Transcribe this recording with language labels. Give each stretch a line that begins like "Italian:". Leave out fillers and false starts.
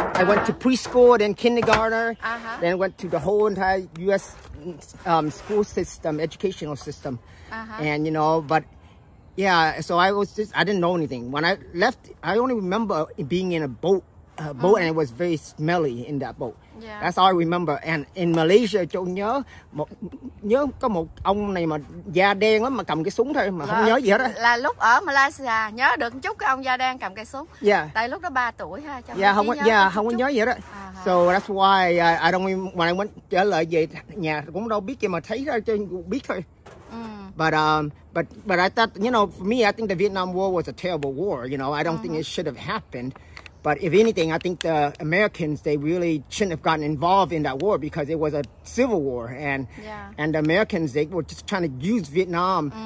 English: I went to preschool, then kindergarten, then went to the whole entire US school system, educational system. And you know, but yeah, so I didn't know anything. When I left, I only remember being in a boat, and it was very smelly in that boat. Yeah. That's all I remember. And in Malaysia,
Vietnamese: Châu nhớ có một ông này mà da đen lắm mà cầm cái súng thôi mà không nhớ gì hết á. Là lúc ở Malaysia nhớ được chút cái ông da đen cầm cái súng.
English: Yeah.
Vietnamese: Tại lúc đó 3 tuổi ha. Không có nhớ gì hết á.
English: So that's why I don't even, when I went
Vietnamese: trở lại về nhà cũng đâu biết gì mà thấy ra chứ biết thôi.
English: But I thought, you know, for me, I think the Vietnam War was a terrible war. You know, I don't think it should have happened. But if anything, I think the Americans, they really shouldn't have gotten involved in that war because it was a civil war. And and the Americans, they were just trying to use Vietnam.